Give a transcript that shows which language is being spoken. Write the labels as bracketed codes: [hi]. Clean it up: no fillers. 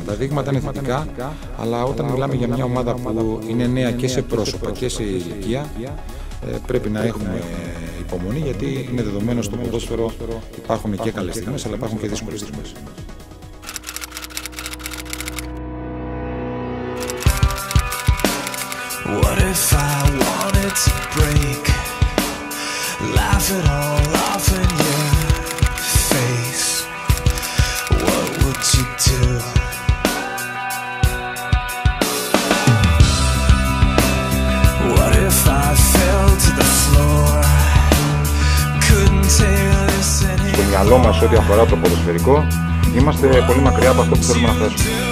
[el] Τα δείγματα είναι θετικά, αλλά όταν μιλάμε για μια ομάδα που είναι νέα και σε πρόσωπα και σε ηλικία, πρέπει να έχουμε υπομονή, γιατί είναι δεδομένο στο ποδόσφαιρο υπάρχουν και καλές στιγμές, αλλά υπάρχουν και δύσκολες στιγμές. [en] What if I wanted to break, laugh it all off in your face, what would you do? What if I fell to the floor, couldn't take this anymore. [el] Στο μυαλό μας ό,τι αφορά το ποδοσφαιρικό, είμαστε πολύ μακριά από αυτό που θέλουμε να φτάσουμε.